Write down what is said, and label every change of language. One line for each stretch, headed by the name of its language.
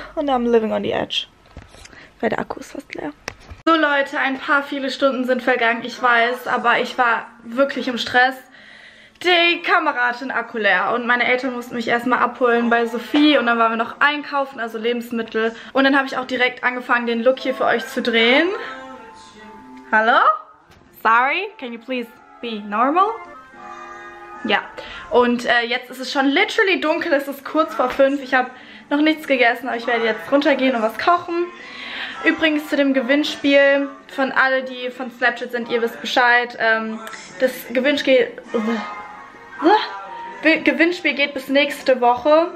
German: Und
English: I'm living on the edge.
German: Weil der Akku ist fast leer. So Leute, ein paar viele Stunden sind vergangen, ich weiß, aber ich war wirklich im Stress. Die Kamera hat den Akku leer und meine Eltern mussten mich erstmal abholen bei Sophie und dann waren wir noch einkaufen, also Lebensmittel. Und dann habe ich auch direkt angefangen, den Look hier für euch zu drehen. Hallo?
English: Sorry, can you please be normal?
German: Ja, und jetzt ist es schon literally dunkel, es ist kurz vor 5. Ich habe noch nichts gegessen, aber ich werde jetzt runtergehen und was kochen. Übrigens zu dem Gewinnspiel von alle, die von Snapchat sind, ihr wisst Bescheid. Das Gewinnspiel geht bis nächste Woche.